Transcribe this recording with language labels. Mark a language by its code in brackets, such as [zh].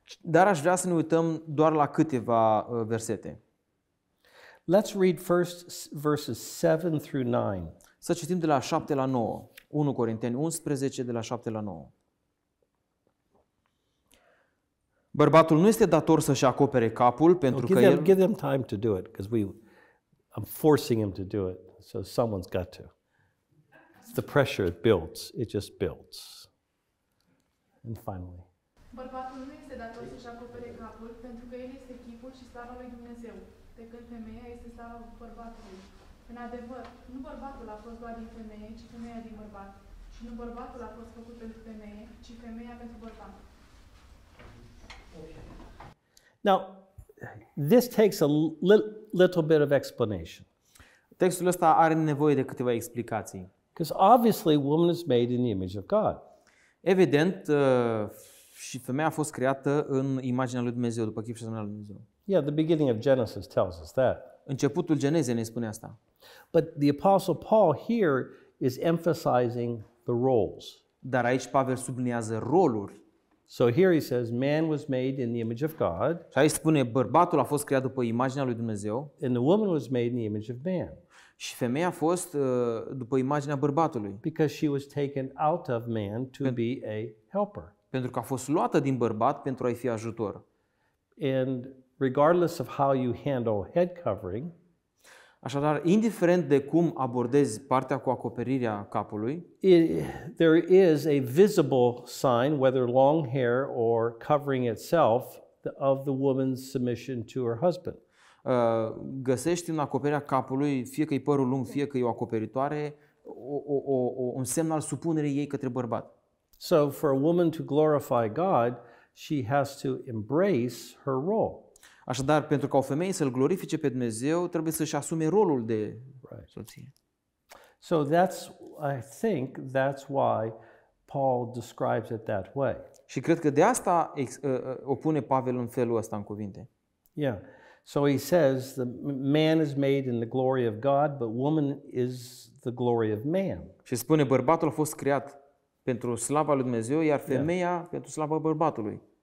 [ro] Dar aș vrea să ne uităm doar la câteva versete. [en] Let's read first verses 7 through 9. [ro] Să citim de la 7 la 9, 1 Corinteni 11, de la 7 la 9. Bărbatul nu este dator să-și acopere capul pentru că el... [en] Give them time to do it, because I'm forcing him to do it, so someone's got to. The pressure, it builds, it just builds. And finally. [ro] Bărbatul nu este dator să-și acopere capul pentru că el este chipul și slava lui Dumnezeu, de când femeia este slava bărbatului. În adevăr, nu bărbatul a fost doar din femeie, ci femeia din bărbat. Și nu bărbatul a fost făcut pentru femeie, ci femeia pentru bărbat. [en] Now, this takes a little bit of explanation. [ro] Textul ăsta are nevoie de câteva explicații. [en] Because obviously, woman is made in the image of God. [ro] Evident, și femeia a fost creată în imaginea lui Dumnezeu, după chip și asemenea lui Dumnezeu. [en] Yeah, the beginning of Genesis tells us that. [ro] Începutul Genezei ne spune asta. [en] But the Apostle Paul here is emphasizing the roles. [ro] Dar aici Pavel subliniază roluri. [en] So here he says, man was made in the image of God. [ro] Și aici spune, bărbatul a fost creat după imaginea lui Dumnezeu. [en] And the woman was made in the image of man. [ro] Și femeia a fost după imaginea bărbatului. [en] Because she was taken out of man to be a helper. [ro] Pentru că a fost luată din bărbat pentru a-i fi ajutor. [en] And regardless of how you handle head covering, [ro] așadar, indiferent de cum abordezi partea cu acoperirea capului, [en] there is a visible sign, whether long hair or covering itself, of the woman's submission to her husband. [ro] Găsești în acoperirea capului, fie că e părul lung, fie că e o acoperitoare, un semn al supunerii ei către bărbat. [en] So for a woman to glorify God, she has to embrace her role. [ro] Așadar, pentru ca o femeie să-L glorifice pe Dumnezeu, trebuie să-și asume rolul de soție. [en] So that's, I think, that's why Paul describes it that way. [ro] Și cred că de asta opune Pavel în felul ăsta în cuvinte. [en] Yeah. So he says the man is made in the glory of God, but woman is the glory of man. [ro] Și spune bărbatul a fost creat pentru slava lui Dumnezeu, iar femeia pentru slava bărbatului.